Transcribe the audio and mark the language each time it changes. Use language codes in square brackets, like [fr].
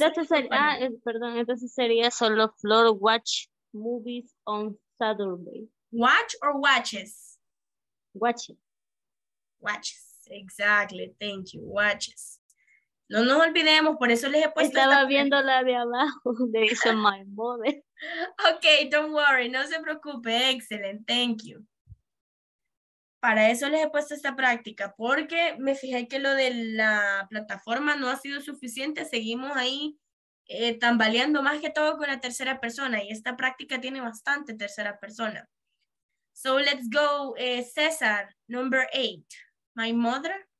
[es] Entonces sería solo [en] Flor Watch Movies on Saturday. Watch or watches? Watches. Watches. Exactly. Thank you. Watches. [es] No nos olvidemos, por eso les he puesto. Estaba viendo la de abajo, le dice [en] my mother. Ok, don't worry, [es] no se preocupe, [en] excellent, thank you. [es] Para eso les he puesto esta práctica, porque me fijé que lo de la plataforma no ha sido suficiente, seguimos ahí tambaleando más que todo con la tercera persona, y esta práctica tiene bastante tercera persona. [en] So let's go, César, number 8, my mother.